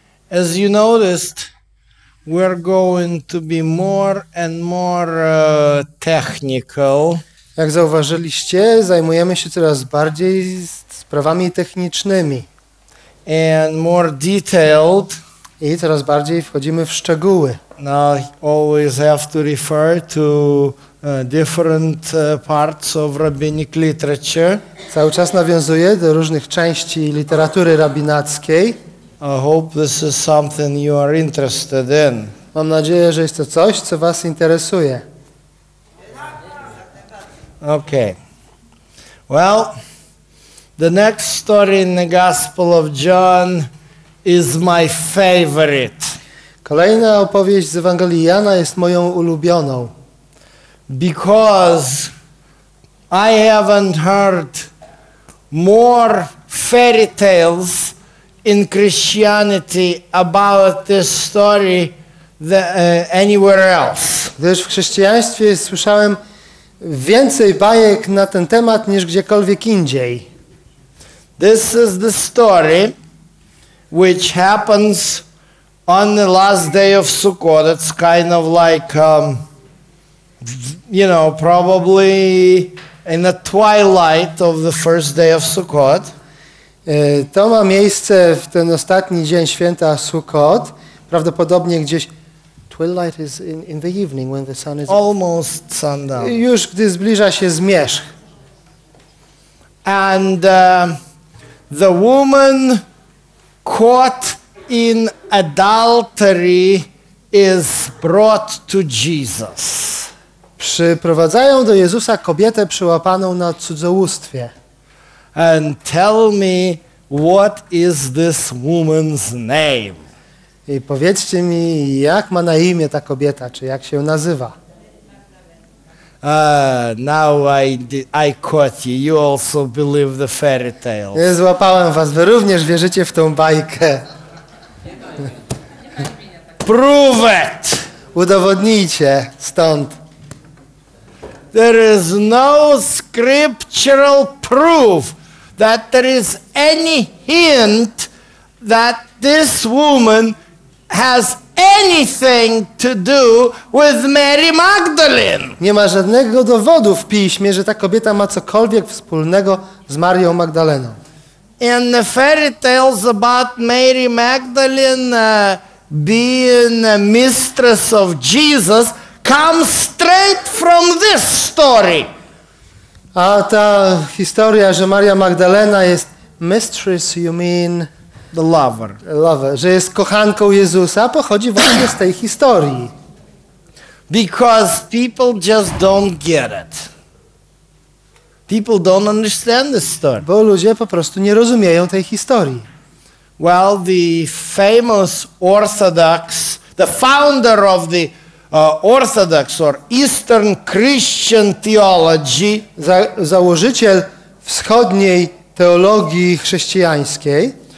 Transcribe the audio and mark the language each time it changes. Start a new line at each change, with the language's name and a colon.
English: As you noticed, we're going to be more and more technical.
Polish: Jak zauważyliście, zajmujemy się coraz bardziej sprawami technicznymi.
English: And more detailed.
Polish: I coraz bardziej wchodzimy w szczegóły.
English: Now always have to refer to different parts of rabbinic literature.
Polish: Cały czas nawiązuję do różnych części literatury rabinackiej.
English: I hope this is something you are interested in.
Polish: Mam nadzieję, że jest to coś, co was interesuje.
English: Okay. Well, the next story in the Gospel of John is my favorite.
Polish: Kolejna opowieść z Ewangelii Jana jest moją ulubioną.
English: Because I haven't heard more fairy tales in Christianity about this story than anywhere else.
Polish: Gdyż w chrześcijaństwie słyszałem więcej bajek na ten temat niż gdziekolwiek indziej.
English: This is the story which happens on the last day of Sukkot. It's kind of like, you know, probably in the twilight of the first day of Sukkot.
Polish: To ma miejsce w ten ostatni dzień święta Sukkot. Prawdopodobnie gdzieś...
English: Twilight is in the evening when the sun is... Almost sundown.
Polish: Już gdy zbliża się zmierzch.
English: And the woman caught in adultery is brought to Jesus.
Polish: Przyprowadzają do Jezusa kobietę przyłapaną na cudzołóstwie.
English: And tell me, what is this woman's name?
Polish: I powiedzcie mi, jak ma na imię ta kobieta, czy jak się nazywa?
English: Now I caught you. You also believe the fairy tale.
Polish: Nie złapałem was. Wy również wierzycie w tą bajkę.
English: Prove it!
Polish: Udowodnijcie stąd.
English: There is no scriptural proof that there is any hint that this woman has anything to do with Mary Magdalene.
Polish: Nie ma żadnego dowodu w piśmie, że ta kobieta ma cokolwiek wspólnego z Marią Magdaleną.
English: In the fairy tales about Mary Magdalene being a mistress of Jesus comes straight from this story.
Polish: A ta historia, że Maria Magdalena jest
English: mistress, you mean... The lover. Lover.
Polish: Że jest kochanką Jezusa, pochodzi właśnie z tej historii.
English: Because people just don't get it. People don't understand this story.
Polish: Bo ludzie po prostu nie rozumieją tej historii.
English: Well, the famous Orthodox, the founder of the Orthodox or Eastern Christian theology,
Polish: założyciel wschodniej teologii chrześcijańskiej,